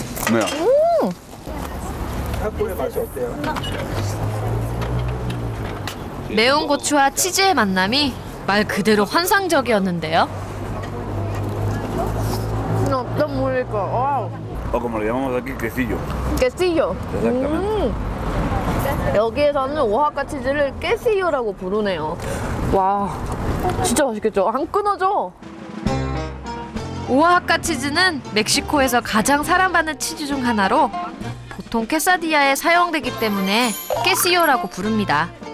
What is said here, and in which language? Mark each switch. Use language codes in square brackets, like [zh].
[ko] 뭐야? 타코의 맛이 어때요? 매운 고추와 치즈의 만남이 말 그대로 환상적이었는데요. 어떤 물일까? [es] 어, como le llamamos aquí, quesillo. Quesillo. [ko] 여기에서는 오하카 치즈를 깨시요라고 부르네요. 와, 진짜 맛있겠죠? 안 끊어져! 오하카 치즈는 멕시코에서 가장 사랑받는 치즈 중 하나로 보통 케사디아에 사용되기 때문에 깨시요라고 부릅니다.